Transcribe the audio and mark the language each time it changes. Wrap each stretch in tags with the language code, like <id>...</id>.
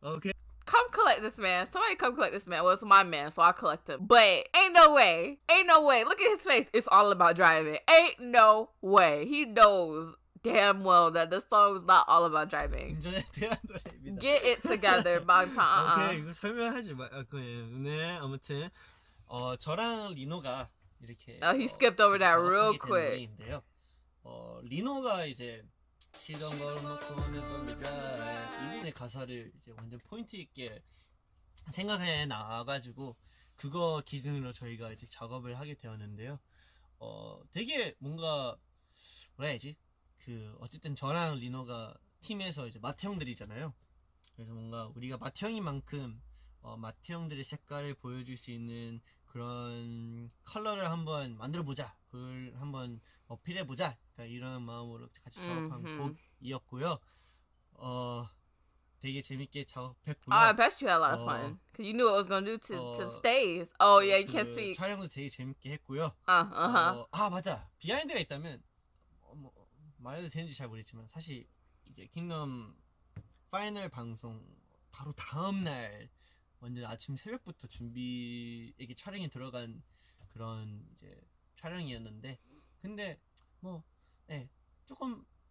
<en>Okay. Come collect this man. Somebody come collect this man. Well, it's my man, so I'll collect him. But ain't no way. Ain't no way. Look at his face. It's all about driving. Ain't no way. He knows damn well that this song is not all about driving. Get it together, Bongchan. Okay,</en> <ko>이거 설명하지 마. 네, 아무튼 저랑 리노가 이렇게.</ko> <en>Oh, he skipped over that real quick.</en> <ko>리노가 이제 시동 걸어놓고 하는 건데 이분의 가사를 이제 완전 포인트 있게 생각해 나와가지고 그거 기준으로 저희가 이제 작업을 하게 되었는데요. 되게 뭔가 뭐라 해야지? 그 어쨌든 저랑 리노가 팀에서 이제 마트 형들이잖아요. 그래서 뭔가 우리가 마트 형이만큼 마트 형들의 색깔을 보여줄 수 있는 그런 컬러를 한번 만들어보자, 그걸 한번 어필해보자, 이런 마음으로 같이 작업한 mm-hmm. 곡이었고요. 되게 재밌게 작업했고요.</ko> <en>I bet you had a lot of fun. Cause you knew what I was gonna do to stays. Oh yeah, you can't speak.</en> <ko>촬영도 되게 재밌게 했고요. 맞아. 비하인드가 있다면 말해도 되는지 잘 모르겠지만 사실 이제 킹덤 파이널 방송 바로 다음 날 완전 아침 새벽부터 준비 이게 촬영에 들어간 그런 이제 촬영이었는데 근데 뭐 네, 조금</ko>